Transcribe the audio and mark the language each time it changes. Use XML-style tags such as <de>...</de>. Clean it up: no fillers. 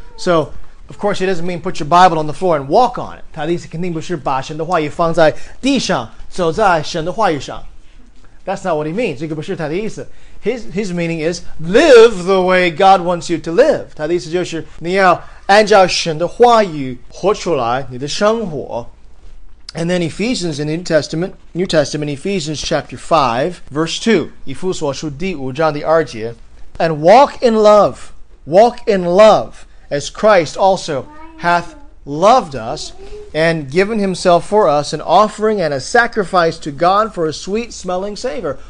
<en>So, of course, it doesn't mean put your Bible on the floor and walk on it.</en> <zh>他的意思肯定不是把神的话语放在地上,走在神的话语上。</zh> <en>That's not what he means.</en> <zh>这个不是他的意思。</zh> <en>His meaning is live the way God wants you to live.</en> <zh>他的意思就是你要按照神的话语活出来你的生活。</zh> <en>And then Ephesians in the New Testament, Ephesians chapter 5, verse 2.</en> <zh>以弗所书第五章第二节。</zh> <en>And walk in love, as Christ also hath loved us, and given himself for us, an offering and a sacrifice to God for a sweet-smelling savor.</en>